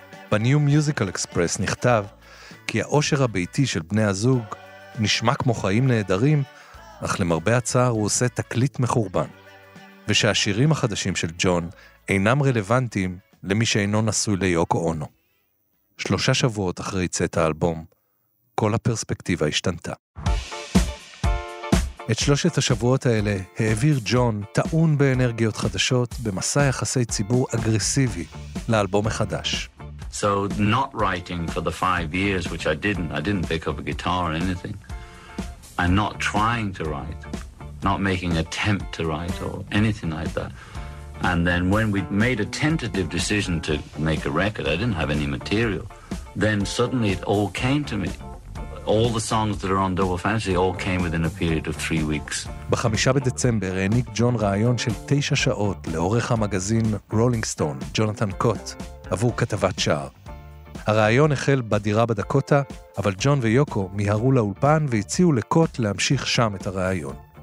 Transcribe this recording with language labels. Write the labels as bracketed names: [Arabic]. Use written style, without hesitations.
[Hebrew] בניו מיוזיקל אקספרס נכתב כי האושר הביתי של בני הזוג נשמע כמו חיים נהדרים, אך למרבה הצער הוא עושה תקליט מחורבן, ושהשירים החדשים של ג'ון אינם רלוונטיים למי שאינו נשוי ליוקו אונו. 3 שבועות אחרי צאת האלבום, כל הפרספקטיבה השתנתה. את 3 השבועות האלה העביר ג'ון טעון באנרגיות חדשות במסע יחסי ציבור אגרסיבי לאלבום החדש. [English] So not writing for the 5 years which I didn't pick up a guitar or anything. I'm not trying to write. Not making an attempt to write or anything like that. And then when we made a tentative decision to make a record, I didn't have any material. Then suddenly it all came to me. All the songs that are on Double Fantasy all came within a period of 3 weeks. [Hebrew] ב-5 בדצמבר העניק ג'ון רעיון של 9 שעות לאורך המגזין Rolling Stone, ג'ונתן קוט, עבור כתבת שער. הרעיון החל בדירה בדקוטה, אבל ג'ון ויוקו מיהרו לאולפן והציעו לקוט להמשיך שם את הרעיון.